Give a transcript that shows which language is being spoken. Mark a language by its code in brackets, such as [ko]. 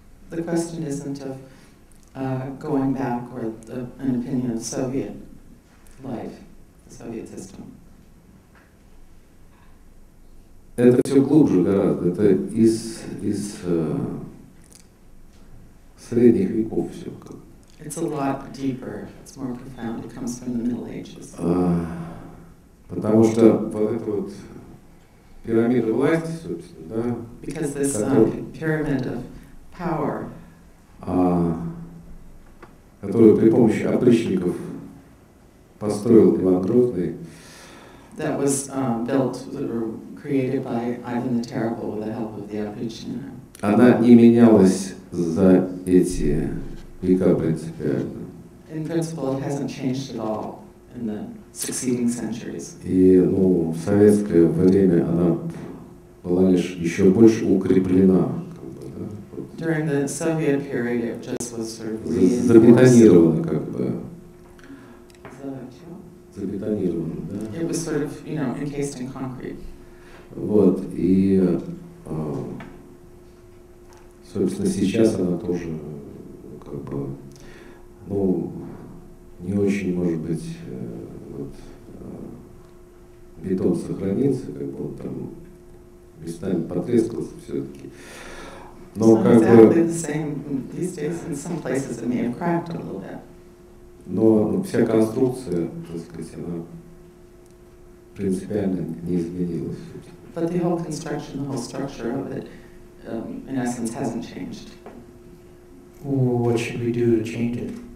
[en] the question isn't of going back or an opinion of Soviet life, the Soviet system. [ru] Это все глубже гораздо, это из средних веков все. [en] It's a lot deeper, it's more profound, it comes from the Middle Ages. [ru] Потому что вот эта вот пирамида власти, собственно, да? [en] Because this pyramid of power, [ru] которую при помощи опричников построил Иван Грозный, [en] that was built or created by Ivan the Terrible with the help of the opricina. [ru] Она не менялась за эти века принципиально. [en] In principle, it hasn't changed at all in the succeeding centuries. [ru] И, ну, в советское время она была лишь еще больше укреплена, как бы, да? [en] During the Soviet period, it just was sort of reinforced. [ru] Забетонировано, как бы. Да? [en] It was sort of, you know, encased in concrete. [ru] Вот, и, собственно, сейчас она тоже, как бы, ну, не очень, может быть, вот, бетон сохранится, как бы он там местами потрескался все-таки. Но [en] it's [ru] как [en] exactly [ru] бы... [en] the same these days. In some places it may have cracked a little bit. [ru] Но вся конструкция, так сказать, она принципиально не изменилась. [en] But the whole construction, the whole structure of it, in essence, hasn't changed. Well, what should we do to change it?